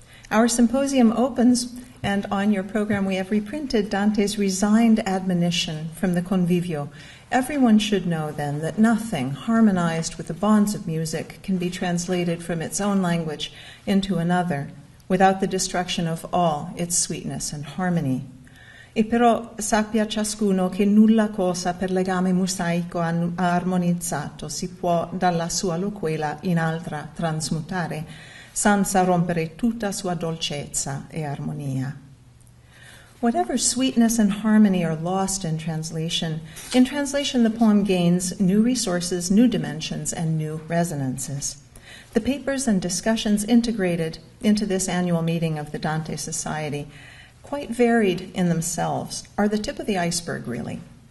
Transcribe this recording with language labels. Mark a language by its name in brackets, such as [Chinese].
[English] Our symposium opens, and on your program we have reprinted Dante's resigned admonition from the Convivio. Everyone should know, then, that nothing harmonized with the bonds of music can be translated from its own language into another without the destruction of all its sweetness and harmony. [Italian] E però sappia ciascuno che nulla cosa per legame mosaico armonizzato si può dalla sua loquela in altra transmutare senza rompere tutta sua dolcezza e armonia. [English] Whatever sweetness and harmony are lost in translation the poem gains new resources, new dimensions, and new resonances. The papers and discussions integrated into this annual meeting of the Dante Society quite varied in themselves, are the tip of the iceberg, really.